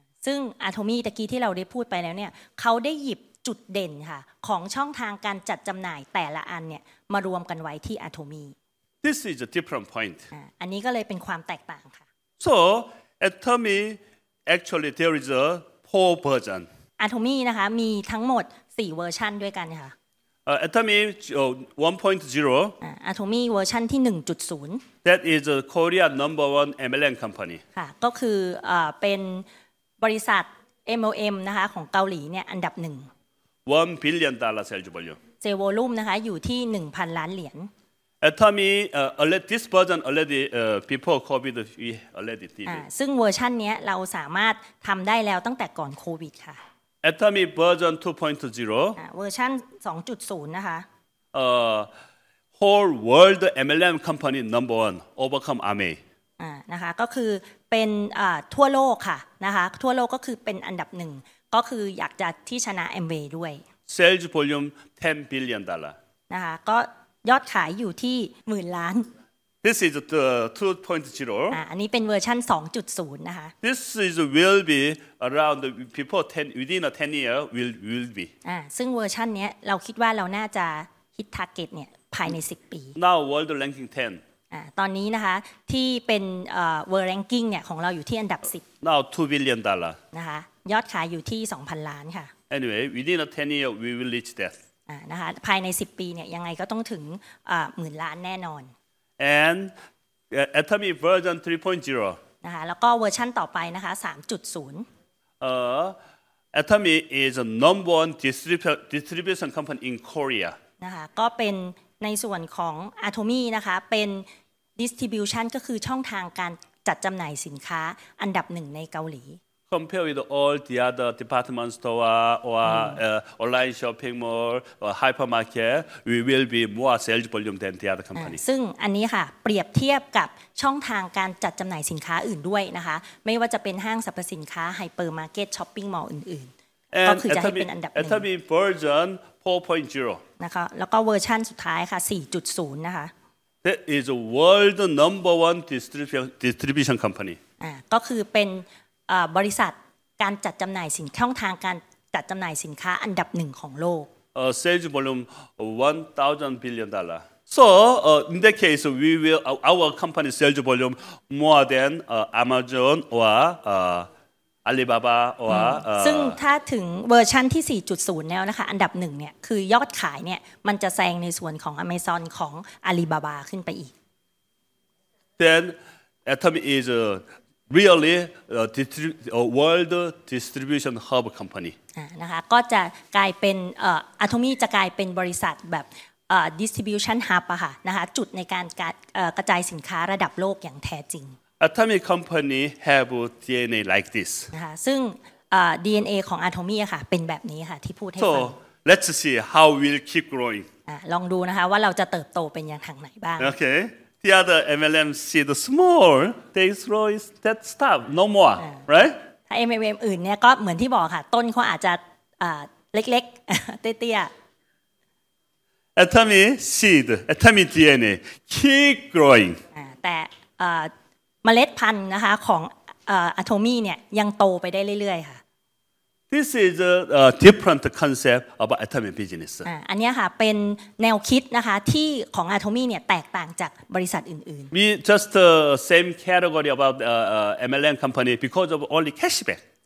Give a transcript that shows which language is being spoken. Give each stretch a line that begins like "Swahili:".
Thai: ซึ่งอาโทมี่ตะกี้ที่เราได้พูดไปแล้วเนี่ยเขาได้หยิบจุดเด่นค่ะของช่องทางการจัดจำหน่ายแต่ละอันเนี่ยมารวมกันไว้ที่อาโทมี่
English: This is a different point
Thai: อันนี้ก็เลยเป็นความแตกต่างค่ะ
English: So Atomy actually there is a 4 version
Thai: อาโทมี่นะคะมีทั้งหมด4เวอร์ชันด้วยกันค่ะ
English: Atomy 1.0
Thai: Atomy เวอร์ชันที่ 1.0
English: That is a Korean number one MLM company
Thai: ค่ะก็คือเป็นบริษัท MLM นะคะของเกาหลีเนี่ยอันดับหนึ่ง
English: 1 billion dollar sales volume.
Thai: Sales volume นะคะอยู่ที่ 1,000 ล้านเหรียญ
English: Atomy already this version already before covid we already did.
Thai: ซึ่งเวอร์ชันนี้เราสามารถทำได้แล้วตั้งแต่ก่อนโควิดค่ะ
English: Atomy version 2.0
Thai: เวอร์ชัน 2.0 นะคะ
English: Whole world MLM company number one overcome AME
Thai: นะคะก็คือเป็นทั่วโลกค่ะนะคะทั่วโลกก็คือเป็นอันดับหนึ่งก็คืออยากจะที่ชนะ Amway ด้วย
English: Sales volume 10 billion dollar
Thai: นะคะก็ยอดขายอยู่ที่หมื่นล้าน
English: This is the 2.0
Thai: อันนี้เป็นเวอร์ชัน 2.0 นะคะ
English: This is will be around the people 10 within a 10 year will be
Thai: ซึ่งเวอร์ชันนี้เราคิดว่าเราน่าจะฮิต target เนี่ยภายใน10ปี
English: Now world ranking 10
Thai: ตอนนี้นะคะที่เป็นworld ranking เนี่ยของเราอยู่ที่อันดับ10
English: Now 2 billion dollar
Thai: นะคะยอดขายอยู่ที่ 2,000 ล้านค่ะ
English: Anyway within a 10 year we will reach that
Thai: นะคะภายใน10ปีเนี่ยยังไงก็ต้องถึง10,000 ล้านแน่นอน
English: And Atomy version 3.0
Thai: นะคะแล้วก็เวอร์ชั่นต่อไปนะคะ 3.0
English: Atomy is number one distribution company in Korea
Thai: นะคะก็เป็นในส่วนของ Atomy นะคะเป็น distribution ก็คือช่องทางการจัดจำหน่ายสินค้าอันดับหนึ่งในเกาหลี
English: Compare with all the other department store or online shopping mall or hypermarket we will be more sales volume than the other company
Thai: ซึ่งอันนี้ค่ะเปรียบเทียบกับช่องทางการจัดจำหน่ายสินค้าอื่นด้วยนะคะไม่ว่าจะเป็นห้างสรรพสินค้า hypermarket shopping mall อื่นก็คือจะให้เป็นอันดับหนึ่
English: Atomy version 4.0
Thai: นะคะแล้วก็เวอร์ชันสุดท้ายค่ะ 4.0 นะคะ
English: That is world number one distribution company
Thai: ก็คือเป็นบริษัทการจัดจำหน่ายสินช่องทางการจัดจำหน่ายสินค้าอันดับหนึ่งของโลก
English: Sales volume 1,000 billion dollar So in that case we will our company sales volume more than Amazon or Alibaba or
Thai: ซึ่งถ้าถึงเวอร์ชันที่ 4.0 แล้วนะคะอันดับหนึ่งเนี่ยคือยอดขายเนี่ยมันจะแซงในส่วนของ Amazon ของ Alibaba ขึ้นไปอีก
English: Then Atom is really world distribution hub company
Thai: นะคะก็จะกลายเป็น Atomy จะกลายเป็นบริษัทแบบ distribution hub อะค่ะนะคะจุดในการกระจายสินค้าระดับโลกอย่างแท้จริง
English: Atomy company have DNA like this.
Thai: นะคะซึ่ง DNA ของ Atomy ค่ะเป็นแบบนี้ค่ะที่พูดให้ฟัง
English: So let's see how we'll keep growing.
Thai: ลองดูนะคะว่าเราจะเติบโตเป็นอย่างทางไหนบ้าง
English: Okay. The other MLM see the small, they throw it, that stop, no more, right?
Thai: ถ้า MLM อื่นเนี่ยก็เหมือนที่บอกค่ะต้นเขาอาจจะเล็กๆเตี้ย
English: ๆ Atomy seed, Atomy DNA keep growing.
Thai: แต่เมล็ดพันธุ์นะคะของAtomy เนี่ยยังโตไปได้เรื่อยๆค่ะ
English: This is a different concept about Atomy business
Thai: อันนี้ค่ะเป็นแนวคิดนะคะที่ของ Atomy เนี่ยแตกต่างจากบริษัทอื่น
English: ๆ We just the same category about MLM company because of only cashback